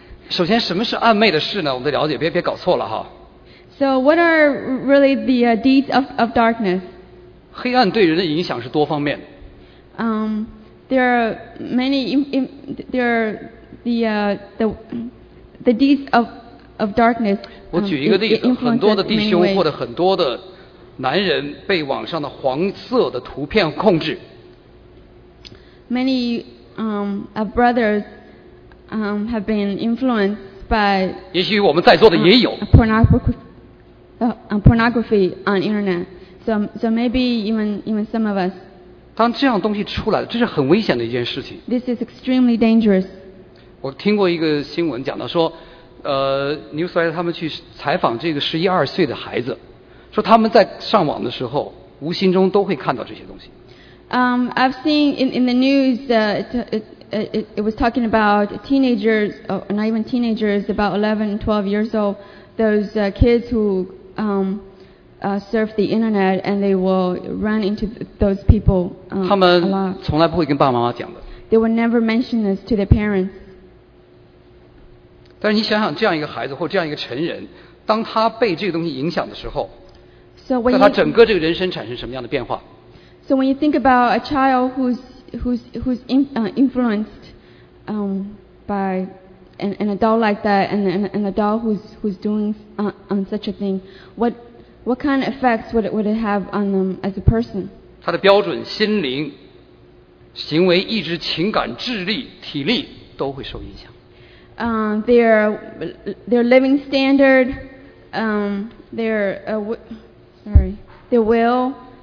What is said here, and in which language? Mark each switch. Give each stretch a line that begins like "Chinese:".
Chinese: 首先，什么是暗昧的事呢？我们得了解，别搞错了哈。
English: So what are really the deeds of darkness?
Chinese: 黑暗对人的影响是多方面的。
English: There are many. There are the deeds of darkness.
Chinese: 我举一个例子，很多的弟兄或者很多的男人被网上的黄色的图片控制。
English: Many brothers have been influenced by.
Chinese: 也许我们在座的也有。
English: Pornography on internet. So maybe even some of us.
Chinese: 当这样东西出来，这是很危险的一件事情。
English: This is extremely dangerous.
Chinese: 我听过一个新闻讲到说，Newsweek 他们去采访这个十一二岁的孩子，说他们在上网的时候，无形中都会看到这些东西。
English: I've seen in the news it was talking about teenagers, not even teenagers, about 11, 12 years old, those kids who surf the internet and they will run into those people.
Chinese: 他们从来不会跟爸爸妈妈讲的。
English: They will never mention this to their parents.
Chinese: 但是你想想，这样一个孩子或这样一个成人，当他被这个东西影响的时候，在他整个这个人生产生什么样的变化？
English: So when you think about a child who's influenced by an adult like that, and an adult who's doing on such a thing, what kind of effects would it have on them as a person?
Chinese: 他的标准、心灵、行为、意志、情感、智力、体力都会受影响。
English: Their living standard, their will.